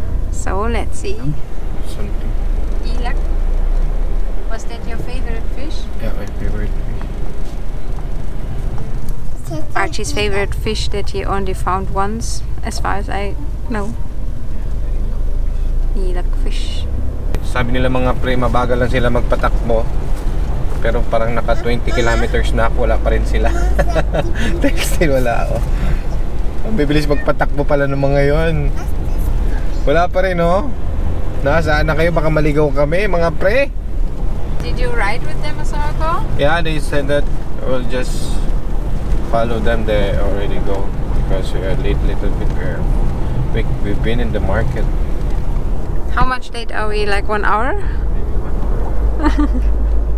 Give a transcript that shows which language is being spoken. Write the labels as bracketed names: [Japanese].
[English] So let's see. Something. Ilak, was that your favorite fish? Yeah, my favorite fish. Archie's favorite fish that he only found once, as far as I know. Ilak fish. [Filipino] Sabi nila mga pre, mabagal lang sila magpatakbo. Pero parang naka 20 kilometers na ako, wala pa rin sila. Textil, wala ako. Ang bibilis magpatakbo pala ng mga yon. Wala pa rin, no? Nasaan na kayo? Baka maligaw kami, mga pre. [English] Did you ride with them a circle? Yeah, they said that we'll just follow them. They already go because we are late little bit. We've been in the market. How much late are we? Like 1 hour? Maybe 1 hour.